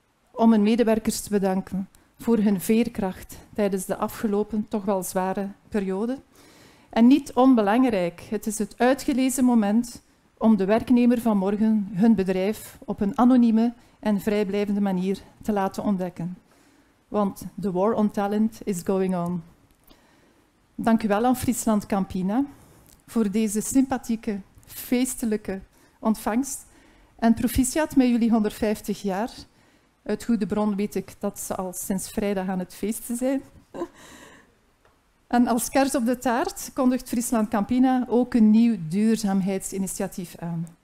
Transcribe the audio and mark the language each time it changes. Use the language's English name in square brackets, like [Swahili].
[Dutch] Om hun medewerkers te bedanken voor hun veerkracht tijdens de afgelopen, toch wel zware periode. En niet onbelangrijk, het is het uitgelezen moment om de werknemer van morgen hun bedrijf op een anonieme en vrijblijvende manier te laten ontdekken. [English] Want the war on talent is going on. [Dutch] Dank u wel aan Friesland Campina voor deze sympathieke, feestelijke ontvangst. En proficiat met jullie 150 jaar. Uit goede bron weet ik dat ze al sinds vrijdag aan het feesten zijn. En als kers op de taart kondigt Friesland Campina ook een nieuw duurzaamheidsinitiatief aan.